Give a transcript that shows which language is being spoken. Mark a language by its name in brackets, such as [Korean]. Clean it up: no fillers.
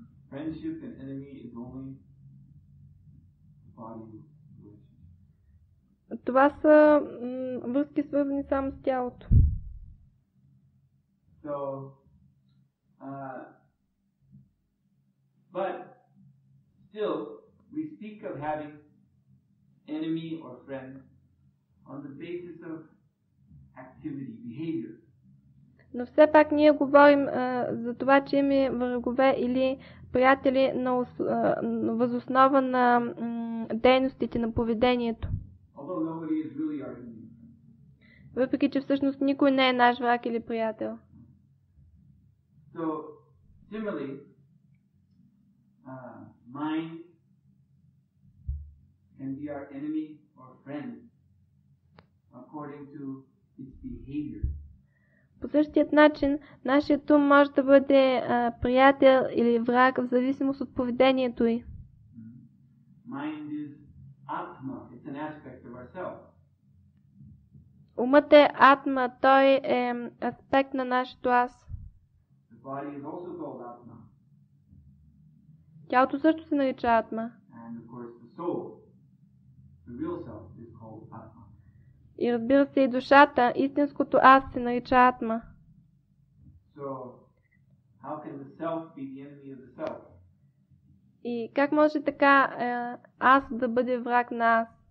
[English] friendship and enemy is only body relationship. [Bulgarian] Това са връзки, свързани само с тялото. [English] So but still we speak of having enemy or friend on the basis of activity, behavior. [Bulgarian] Но все пак ние говорим за това, че имаме врагове или приятели на въз основа на дейностите, на поведението. [English] Really, [Bulgarian] въпреки че всъщност никой не е наш враг или приятел. [English] So, similarly, mind can be our enemy or friend according to its behavior. [Bulgarian] По същият начин, нашият ум може да бъде приятел или враг, в зависимост от поведението й. [English] Mind is atma. It's an aspect of ourself. [Bulgarian] Умът е атма. Той е аспект на нашето аз. [English] The body is also called atma. [Bulgarian] Тялото също се нарича атма. [English] And of course the soul, the real self, is called atma. [Bulgarian] И разбира се, и душата, истинското аз, се нарича атма. [English] So, how can the self be the enemy of the self? [Bulgarian] И как може така аз да бъде враг на аз?